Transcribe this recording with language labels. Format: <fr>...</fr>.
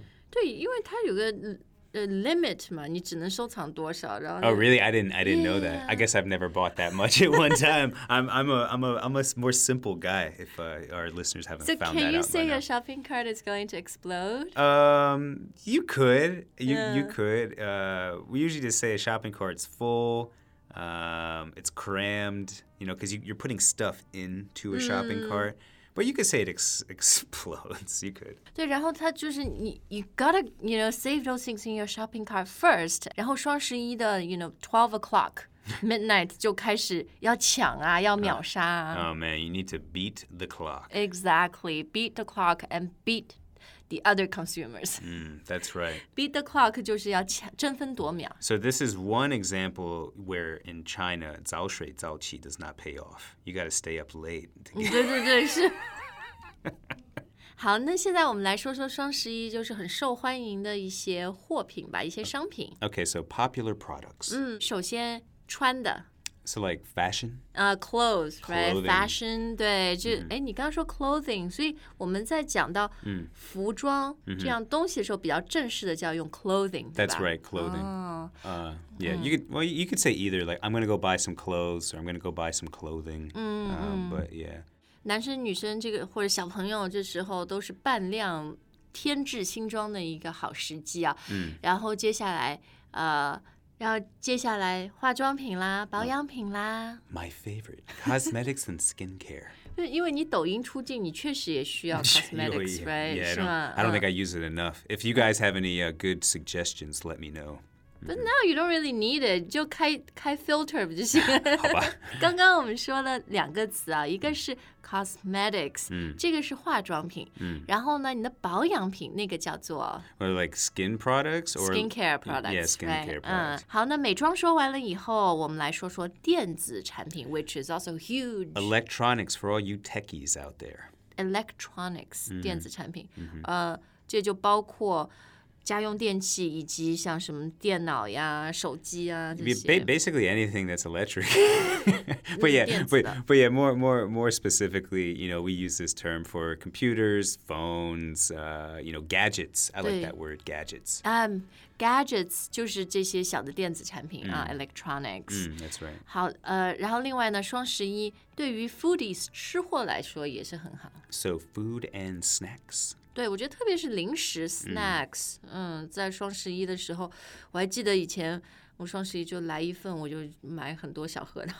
<zh>对，因为它有个limit 嘛，你只能收藏多少，然后。</zh> <en>Oh really? I didn't know that. I guess I've never bought that much at one time. I'm a more simple guy. If、our listeners haven't、 so、 found that out. So can you say your shopping cart is going to explode? You could. You could. We usually just say a shopping cart's full. It's crammed. You know, because you're putting stuff into a shopping cart. But you could say it explodes, you could.</en> <zh>对然后它就是</zh> <en>you gotta, you know, save those things in your shopping cart first.</en> <zh>然后双十一的</zh> <en>you know, 12 o'clock, midnight,</en> <zh>就开始要抢啊要秒杀啊。</zh> <en>Oh man, you need to beat the clock. Exactly, beat the clock and beat the other consumers. That's right.</en> <zh>Beat the clock 就是要抢争分夺秒。</zh> <en>So this is one example where in China,</en> <zh>早睡早起</zh> <en>does not pay off. You got to stay up late.</en> <zh>对对对是。好那现在我们来说说双十一就是很受欢迎的一些货品吧一些商品。</zh> <en>Okay, so popular products.</en> <zh>首先穿的。</zh> <en>So like fashion? Clothes, clothing. Right?</en> <zh>Fashion, 对就、你刚刚说 clothing, 所以我们在讲到服装、这样东西的时候比较正式的叫用 clothing,</zh> <en>That's right, clothing.、yeah, you could say either, like, I'm going to go buy some clothes or I'm going to go buy some clothing,、but yeah.</en> <zh>男生女生这个或者小朋友这时候都是半量添置新装的一个好时机啊。然后接下来然后接下来化妆品啦保养品啦</zh> <en>My favorite, cosmetics and skincare</en> <zh>因为你抖音出镜你确实也需要 cosmetics,</zh> <en>right? Yeah, I don't think I use it enough If you guys have any good suggestions, let me know、 But now you don't really need it.</en> <zh>就开 filter 不就行了。好吧。刚刚我们说了两个词啊，一个是 cosmetics，这个是化妆品。然后呢，你的保养品那个叫做</zh> <en>or like skin products or skincare products. Yeah, skincare products.</en> <zh>好，那美妆说完了以后，我们来说说电子产品 ，</zh> <en>which is also huge. Electronics for all you techies out there.</en> <zh>Electronics，电子产品。这就包括。家用电器以及像什么电脑呀、手机啊这些。</zh> <en>Basically anything that's electric. but more specifically, you know, we use this term for computers, phones, you know, gadgets. I like that word, gadgets.</en> <zh>Gadgets 就是这些小的电子产品啊、electronics.</zh> <en>That's right.</en> <zh>好，然后另外呢，双十一对于 foodies 吃货来说也是很好。</zh> <en>So food and snacks.</en> <zh>对，我觉得特别是零食 snacks， 在双十一的时候，我还记得以前我双十一就来一份，我就买很多小盒的。</zh>